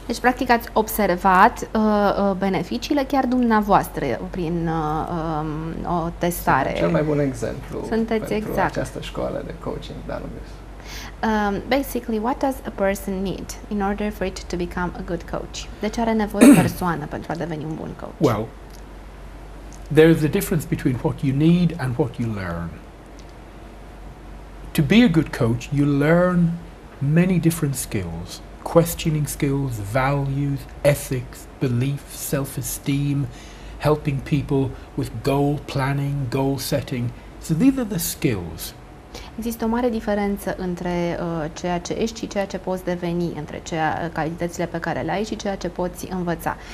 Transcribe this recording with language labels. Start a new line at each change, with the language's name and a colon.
Romanian: Deci, practic, ați observat beneficiile chiar dumneavoastră prin o testare. Cel mai bun exemplu această școală de coaching, Danubius.
English: Basically, what does a person need in order for it to become a good coach?
Romanian: De ce are nevoie persoană pentru a deveni un bun coach?
English: Well, there is a difference between what you need and what you learn. To be a good coach, you learn many different skills. Questioning skills, values, ethics, belief, self-esteem, helping people with goal planning, goal setting. So these are the skills.
Romanian: Există o mare diferență între ceea ce ești și ceea ce poți deveni, între calitățile pe care le ai și ceea ce poți învăța.